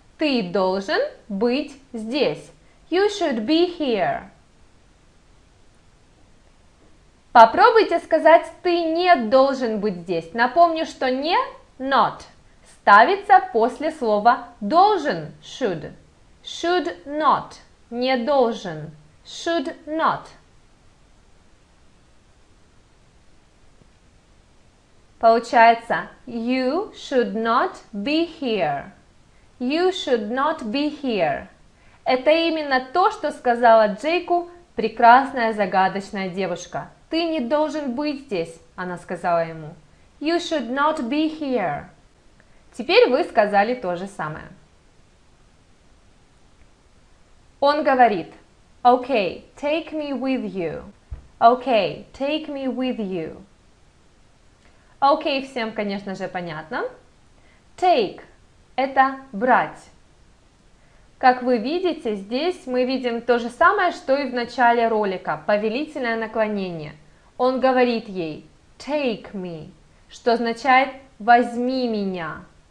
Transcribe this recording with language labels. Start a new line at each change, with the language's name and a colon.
Russian: Ты должен быть здесь.
English: You should be here.
Russian: Попробуйте сказать, ты не должен быть здесь. Напомню, что не, not. Ставится после слова должен, should.
English: Should not,
Russian: не должен,
English: should not. Получается, you should not be here. You should not be here.
Russian: Это именно то, что сказала Джейку прекрасная загадочная девушка. Ты не должен быть здесь, она сказала ему.
English: You should not be here.
Russian: Теперь вы сказали то же самое. Он говорит:
English: Okay, take me with you. Okay, take me with you.
Russian: Okay, всем, конечно же, понятно. Take – это брать. Как вы видите, здесь мы видим то же самое, что и в начале ролика – повелительное наклонение. Он говорит ей «take me», что означает «возьми меня».